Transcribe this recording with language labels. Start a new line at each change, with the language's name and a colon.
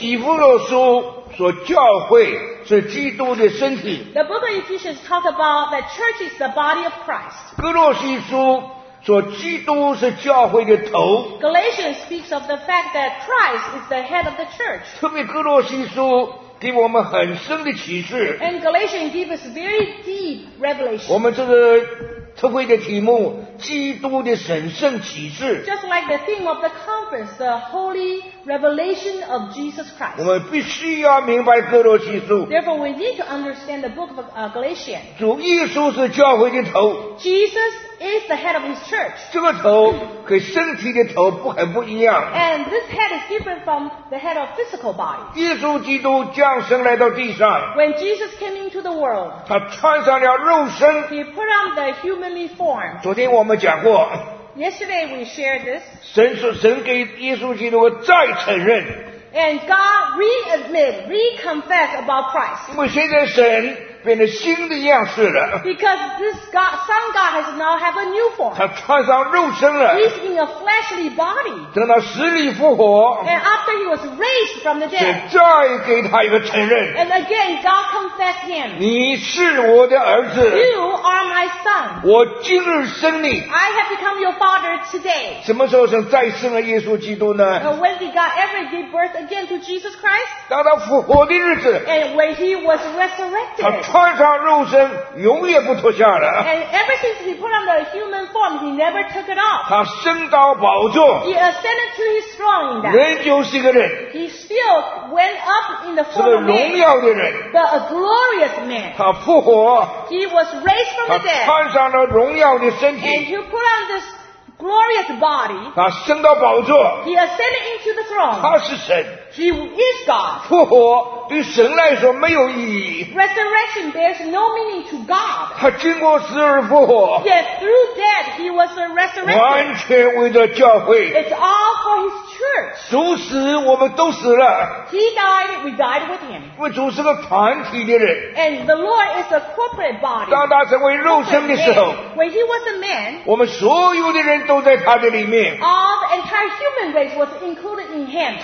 Chinese: 以弗所书所教会是基督的身体。
English: The book of Ephesians talk about the church is the body of Christ.
Chinese: 哥罗西书说基督是教会的头。
English: Galatians speaks of the fact that Christ is the head of the church.
Chinese: 特别哥罗西书给我们很深的启示。
English: And Galatians give us very deep revelation.
Chinese: 我们这个特会的题目，基督的神圣启示。
English: Just like the theme of the conference, the holy revelation of Jesus Christ.
Chinese: 我们必须要明白哥罗西书。
English: Therefore, we need to understand the book of Galatians.
Chinese: 主耶稣是教会的头。
English: Jesus is the head of his church.
Chinese: 这个头和身体的头不很不一样。
English: And this head is different from the head of physical body.
Chinese: 耶稣基督降生来到地上。
English: When Jesus came into the world,
Chinese: 他穿上了肉身。
English: He put on the humanly form.
Chinese: 昨天我们讲过。
English: Yesterday we shared this.
Chinese: 神给耶稣基督再承认。
English: And God re-admit, re-confess about Christ.
Chinese: 因为现在神变成新的样式了。
English: Because this God, Son God has now have a new form.
Chinese: 他穿上肉身了。
English: He's in a fleshly body.
Chinese: 等到死里复活。
English: And after he was raised from the dead.
Chinese: 神再给他一个承认。
English: And again, God confessed him.
Chinese: 你是我的儿子。
English: You are my son.
Chinese: 我今日生你。
English: I have become your father today.
Chinese: 什么时候神再生了耶稣基督呢？
English: When did God ever give birth again to Jesus Christ?
Chinese: 当他复活的日子。
English: And when he was resurrected.
Chinese: 穿上肉身永远不脱下了。
English: And ever since he put on the human form, he never took it off.
Chinese: 他升到宝座。
English: He ascended to his throne.
Chinese: 人就是一个人。
English: He still went up in the form of man.
Chinese: 是个荣耀的人。
English: But a glorious man.
Chinese: 他复活。
English: He was raised from the dead.
Chinese: 他穿上了荣耀的身体。
English: And he put on this glorious body.
Chinese: 他升到宝座。
English: He ascended into the throne.
Chinese: 他是神。
English: He is God.
Chinese: 复活对神来说没有意义。
English: Resurrection bears no meaning to God.
Chinese: 他经过死而复活。
English: Yet through death he was resurrected.
Chinese: 完全为了教会。
English: It's all for his church.
Chinese: 主死我们都死了。
English: He died, we died with him.
Chinese: 因为主是个团体的人。
English: And the Lord is a corporate body.
Chinese: 当他成为肉身的时候。
English: When he was a man.
Chinese: 我们所有的人都在他的里面。
English: All the entire human race was included in him.